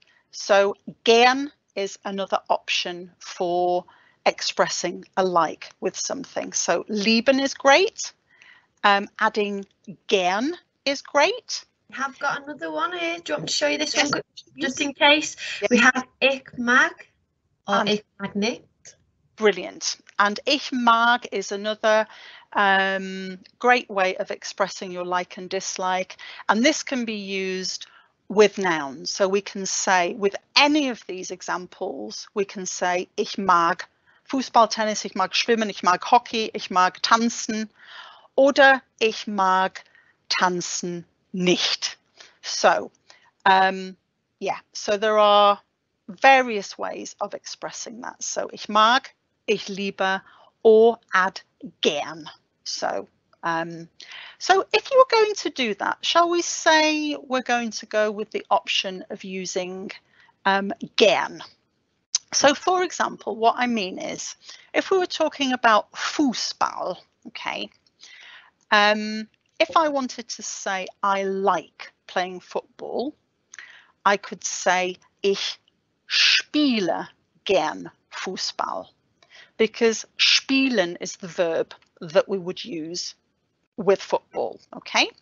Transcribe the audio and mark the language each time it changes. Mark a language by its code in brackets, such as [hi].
[en] So gern is another option for expressing a like with something. So lieben is great. Adding gern is great. We have got another one here. Do you want to show you this one just in case? Yes. We have [de] ich mag [en] or [de] ich mag nicht. [en] Brilliant. And [de] ich mag [en] is another great way of expressing your like and dislike, and this can be used with nouns. So we can say, [de] with any of these examples, we can say ich mag Fußball, Tennis, ich mag schwimmen, ich mag hockey, ich mag tanzen, oder ich mag tanzen nicht. [en] So so there are various ways of expressing that. So [de] ich mag, ich liebe, [en] or add gern. So So if you're going to do that, shall we say we're going to go with the option of using gern. So for example, what I mean is, if we were talking about Fußball, okay, if I wanted to say I like playing football, I could say [de] ich spiele gern Fußball, [en] because spielen is the verb that we would use with football, okay?